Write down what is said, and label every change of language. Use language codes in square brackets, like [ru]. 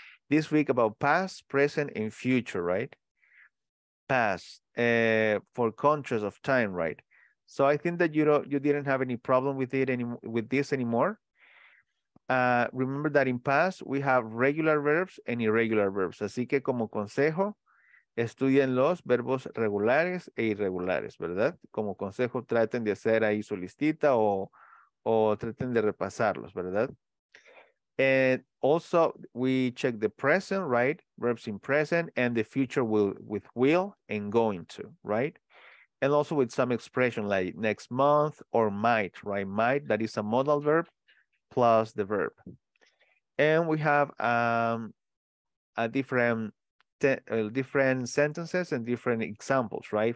[en] This week about past, present, and future, right? Past for contrast of time, right? So I think that you didn't have any problem with it any with this anymore. Remember that in past we have regular verbs and irregular verbs. [es] Así que como consejo, estudien los verbos regulares e irregulares, ¿verdad? Como consejo, traten de hacer ahí su listita o traten de repasarlos, ¿verdad? [en] And also, we check the present, right? Verbs in present and the future with will and going to, right? And also with some expression like next month or might, right? Might, that is a modal verb plus the verb. And we have a different different sentences and different examples, right?